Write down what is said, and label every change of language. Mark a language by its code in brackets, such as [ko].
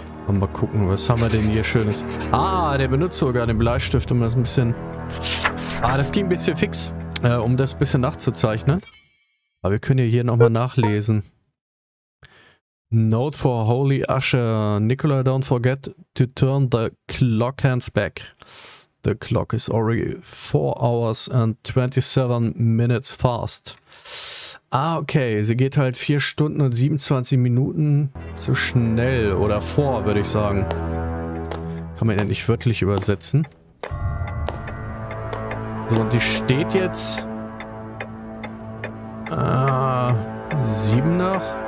[de] Mal gucken, was haben wir denn hier Schönes? Ah, der benutzt sogar den Bleistift, um das ein bisschen... Ah, das ging ein bisschen fix, um das ein bisschen nachzuzeichnen. Aber wir können ja hier nochmal nachlesen. [en] Note for Holy Usher. Nicola, don't forget to turn the clock hands back. The clock is already 4 hours and 27 minutes fast. [de] Ah, okay. Sie geht halt 4 Stunden und 27 Minuten zu schnell oder vor, würde ich sagen. Kann man ja nicht wörtlich übersetzen. So, und die steht jetzt... 7 nach?